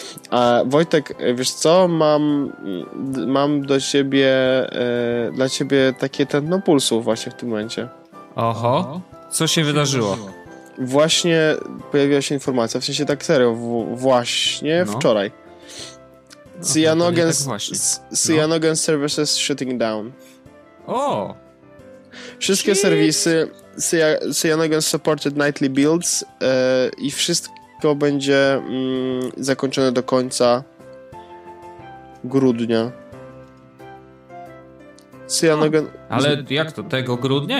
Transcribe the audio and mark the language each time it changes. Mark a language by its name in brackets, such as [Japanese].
[Polish] A Wojtek, wiesz co, mam do ciebie, dla ciebie takie tętno pulsu właśnie w tym momencie. Oho, co się wydarzyło? Właśnie pojawiła się informacja, w sensie tak serio, właśnie no. Wczoraj. [English] Cyanogen Services shutting down. O! [Polish] Wszystkie serwisy, [English] Cyanogen supported nightly builds [Polish] i wszystko będzie zakończone do końca grudnia. Cyanogen... No, ale jak to, tego grudnia?